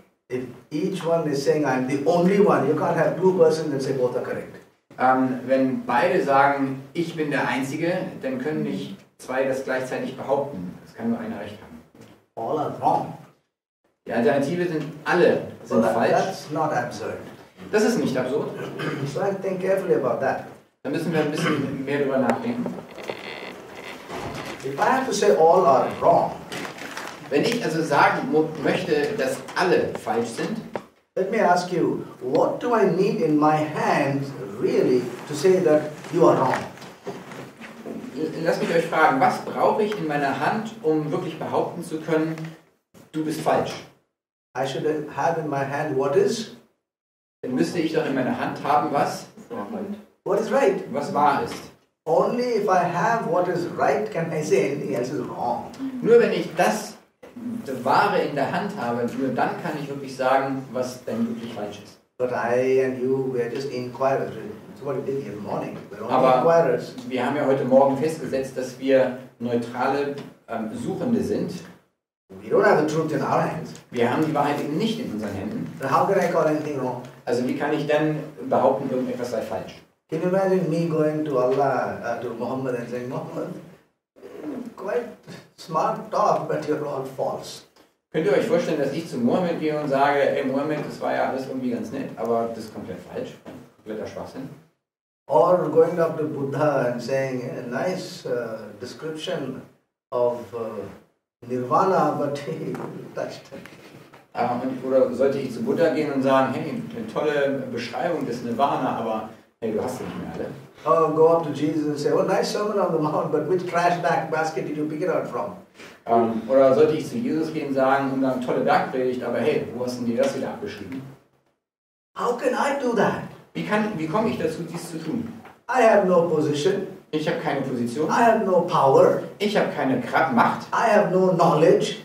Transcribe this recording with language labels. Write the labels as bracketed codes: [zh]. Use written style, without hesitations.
[en] If each one is saying I'm the only one, you can't have two persons that say both are correct. [de] Wenn beide sagen, ich bin der Einzige, dann können nicht zwei das gleichzeitig behaupten. Das kann nur einer recht haben. [en] All are wrong. [de] Die Alternative sind alle sind [en] that, [de] falsch. [en] That's not absurd. [de] Das ist nicht absurd. [en] So I think carefully about that. [de] Da müssen wir ein bisschen mehr drüber nachdenken. [en] If I have to say all are wrong, [de] wenn ich also sagen möchte, dass alle falsch sind, [en] let me ask you, what do I need in my hand really to say that you are wrong? [de] Lass mich euch fragen, was brauche ich in meiner Hand, um wirklich behaupten zu können, du bist falsch? [en] I should have in my hand what is? [de] Dann müsste ich doch in meiner Hand haben, was wahr. [en] What is right? [de] Was wahr ist. [en] Only if I have what is right can I say anything else is wrong. [de] Nur wenn ich das Wahre in der Hand habe, nur dann kann ich wirklich sagen, was denn wirklich falsch ist. [en] But I and you, we are just inquirers. That's what we did here in the morning. We're only [de] aber [en] inquirers. [de] Wir haben ja heute Morgen festgesetzt, dass wir neutrale Suchende sind. [en] We don't have the truth in our hands. [de] Wir haben die Wahrheit eben nicht in unseren Händen. [en] But how can I call anything wrong? [de] Also wie kann ich denn behaupten, irgendetwas sei falsch? [en] Can you imagine me going to Allah, to Muhammad and saying, Muhammad, quite smart talk, but you're all false. [de] Könnt ihr euch vorstellen, dass ich zu Muhammad gehe und sage, ey Muhammad, das war ja alles irgendwie ganz nett, aber das ist komplett falsch, kompletter Schwachsinn. [en] Or going up to Buddha and saying, a nice description of Nirvana, but he touched it. [de] Oder sollte ich zu Buddha gehen und sagen, hey, eine tolle Beschreibung des Nirvana, aber hey, du hast sie nicht mehr alle. [en] Oh, go up to Jesus and say, oh, nice sermon on the mount, but which trash bag basket did you pick it out from? [de] Oder sollte ich zu Jesus gehen und sagen, und dann tolle Bergpredigt, aber hey, wo hast denn dir das wieder abgeschrieben? [en] How can I do that? [de] Wie komme ich dazu, dies zu tun? [en] I have no position. [de] Ich habe keine Position. [en] I have no power. [de] Ich habe keine Macht. [en] I have no knowledge.